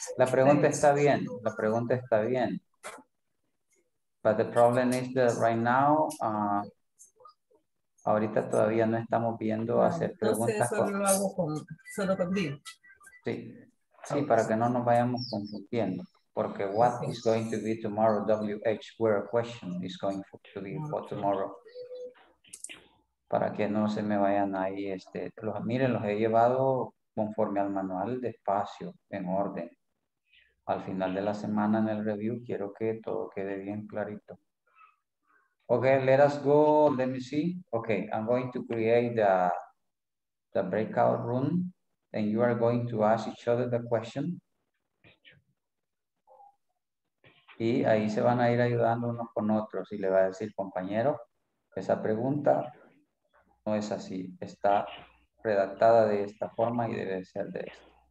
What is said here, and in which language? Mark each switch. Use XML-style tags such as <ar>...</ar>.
<es>La pregunta está bien, la pregunta está bien.</es> <en>But the problem is that right now,</en> <es>ahorita todavía no estamos viendo hacer preguntas. Entonces, solo lo hago con, solo conmigo. Sí, sí, para que no nos vayamos confundiendo.</es> <en>Porque what is going to be tomorrow, WH, where a question is going to be for tomorrow.</en> <es>Para que no se me vayan ahí. Miren, los he llevado conforme al manual, despacio, en orden. Al final de la semana en el review, quiero que todo quede bien clarito.</es> <en>Okay, let us go, let me see. Okay, I'm going to create the breakout room and you are going to ask each other the question.</en> <es>Y ahí se van a ir ayudando unos con otros y le va a decir, compañero, esa pregunta no es así, está redactada de esta forma y debe ser de esta.</es>